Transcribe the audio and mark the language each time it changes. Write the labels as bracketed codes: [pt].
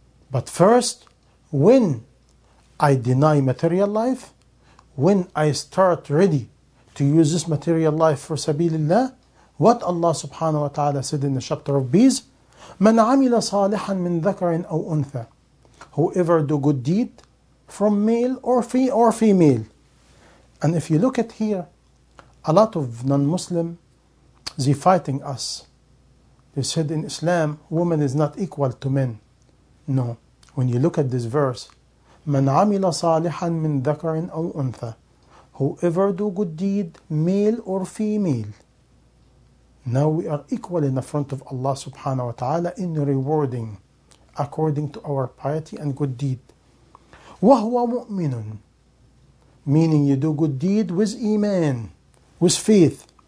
[en] But first, when I deny material life, when I start ready to use this material life for Sabilillah, what Allah subhanahu wa ta'ala said in the chapter of bees, [ar] مَنْ عَمِلَ صَالِحًا مِنْ ذَكَرٍ أَوْ أُنْثَى. [en] Whoever do good deed from male or female. And if you look at here, a lot of non-Muslim, they fighting us. They said in Islam, woman is not equal to men. No. When you look at this verse, [ar] مَنْ عَمِلَ صَالِحًا مِنْ ذَكَرٍ أَوْ أُنْثَى. [en] Whoever do good deed, male or female. Now we are equal in the front of Allah subhanahu wa ta'ala in rewarding according to our piety and good deed. [ar] وَهُوَ مُؤْمِنٌ. [en] Meaning you do good deed with iman, with faith.